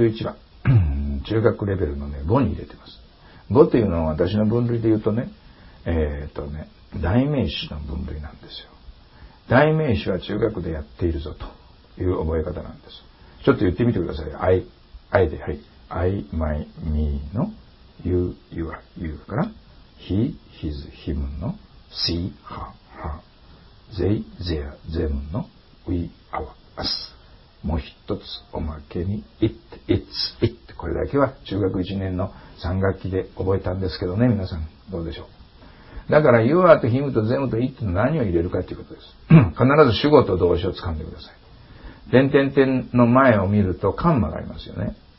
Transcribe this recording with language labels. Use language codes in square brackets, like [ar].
[ja] はい、111番。中学レベルのね、5に入れてます。 5というのは私の分類で言うとね、代名詞の分類なんですよ。代名詞は中学でやっているぞという覚え方なんです。ちょっと言ってみてください。 I で、はい。 [en] I, my, me の you, your, you から。 He, his, him の see, her, her. They, their, them の we, our, us. [ja] もう一つおまけに it, it's, it. これだけは中学1年の3学期で覚えたんですけどね、皆さん。どうでしょう。だから you are と him と them と it の何を入れるかということです。必ず主語と動詞をつかんでください。点点点の前を見るとカンマがありますよね。